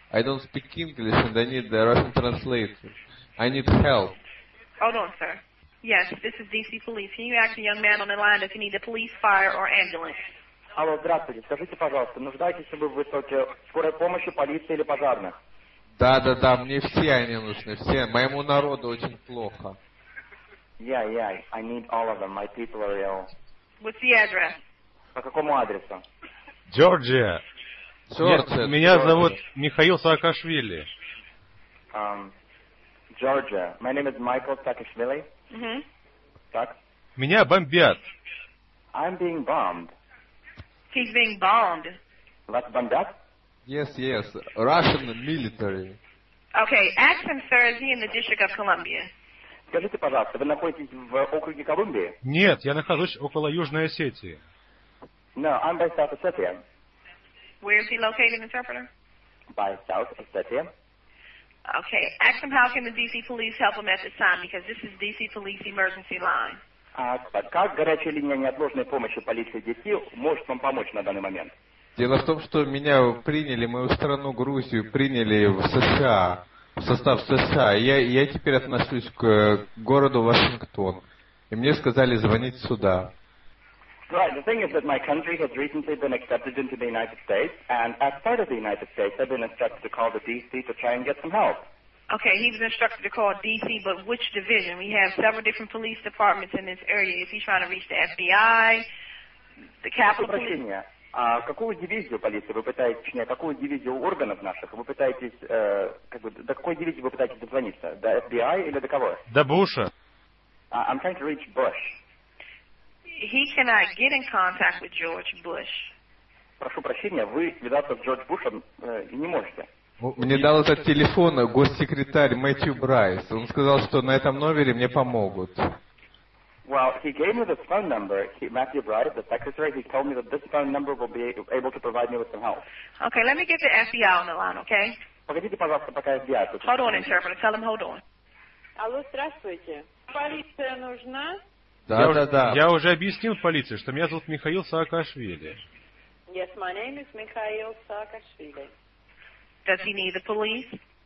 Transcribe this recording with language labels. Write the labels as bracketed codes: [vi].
[en] I don't speak English and I need the Russian translator. I need help. Hold on, sir. Yes, this is DC police. Can you ask a young man on the line if you need the police, fire, or ambulance? [ru] Алло, здравствуйте. Скажите, пожалуйста, нуждаетесь ли вы в высоте скорой помощи, полиции или пожарных? Да, мне все они нужны, все. Моему народу очень плохо. [en] Yeah, I need all of them. My people are ill. What's the address? [ru] По какому адресу? Джорджия. Джорджия. Меня зовут Михаил Саакашвили. [en] Джорджия. My name is Michael Saakashvili. Mm-hmm. [ru] Так? Меня бомбят. [en] I'm being bombed. He's being bombed. What's bombed up? Yes. Russian military. Okay, ask him, sir, is he in the District of Columbia? [ru] Скажите, пожалуйста, вы находитесь в округе Колумбии? Нет, я нахожусь около Южной Осетии. [en] No, I'm by South Ossetia. Where is he located, interpreter? By South Ossetia. Okay, ask him how can the D.C. police help him at this time, because this is D.C. police emergency line. [ru] Как горячая линия неотложной помощи полиции D.C. может вам помочь на данный момент? Дело в том, что меня приняли, мою страну Грузию приняли в США, в состав США. Я теперь отношусь к городу Вашингтон. И мне сказали звонить сюда. [en] Right, the thing is that my country has recently been accepted into the United States, and as part of the United States, I've been instructed to call the D.C. to try and get some help. Okay, he was instructed to call D.C., but which division? We have several different police departments in this area. Is he trying to reach the FBI, the Capitol Police? [ru] Какую дивизию полиции вы пытаетесь, точнее, какую дивизию органов наших вы пытаетесь, до какой дивизии вы пытаетесь дозвониться? До FBI или до кого? До Буша. [en] I'm trying to reach Bush. He cannot get in contact with George Bush. [ru] Прошу прощения, вы связаться с Джордж Бушем не можете. Мне дал этот телефон госсекретарь Мэтью Брайс. Он сказал, что на этом номере мне помогут. [en] Well, he gave me this phone number, Matthew Bright, the secretary. He told me that this phone number will be able to provide me with some help. Okay, let me get the FBI on the line, okay? [ru] Погодите, пожалуйста, пока FBI. [en] Hold on, interpreter. Tell him, hold on. [ru] Алло, здравствуйте. Полиция нужна? Да. Я уже объяснил полиции, что меня зовут Михаил Саакашвили. [en] Yes, my name is Михаил Саакашвили. Does he need the police?